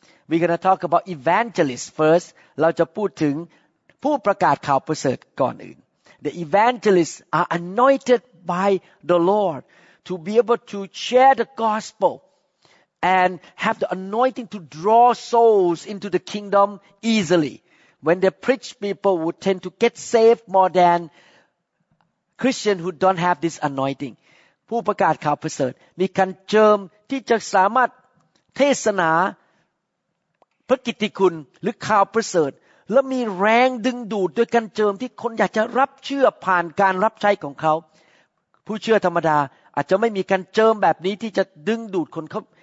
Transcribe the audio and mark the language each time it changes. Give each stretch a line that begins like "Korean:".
English: We gonna talk about evangelists first
Thai: เราจะพูดถึงผู้ประกาศข่าวประเสริฐก่อนอื่น
English: The evangelists are anointed by the Lord to be able to share the gospelAnd have the anointing to draw souls into the kingdom easily. When they preach, people would tend to get saved more than Christians who don't have this anointing.
Thai: ผู้ประกาศข่าวประเสริฐมีการเจิมที่จะสามารถเทศนาพระกิตติคุณหรือข่าวประเสริฐและมีแรงดึงดูดด้วยการเจิมที่คนอยากจะรับเชื่อผ่านการรับใช้ของเขาผู้เชื่อธรรมดาอาจจะไม่มีการเจิมแบบนี้ที่จะดึงดูดคนเขา